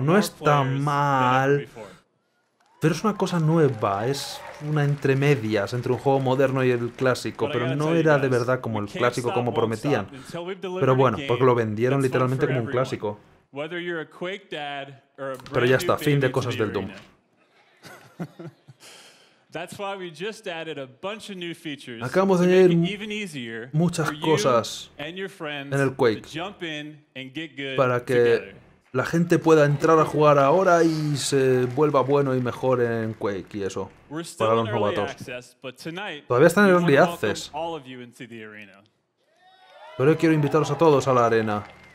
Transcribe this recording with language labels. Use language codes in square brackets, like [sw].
[es] No está mal. Pero es una cosa nueva. Es una entremedias entre un juego moderno y el clásico. Pero no era de verdad como el clásico como prometían. Pero bueno, porque lo vendieron literalmente como un clásico. [en] Whether you're a Quake dad or a brand [es] pero ya está, fin de cosas del Doom. [en] That's why we just added a bunch of new features. [es] Acabamos de añadir muchas cosas en el Quake para que la gente pueda entrar a jugar ahora y se vuelva bueno y mejor en Quake y eso, para los novatos. Todavía están en Early Access, pero hoy quiero invitaros a todos a la arena.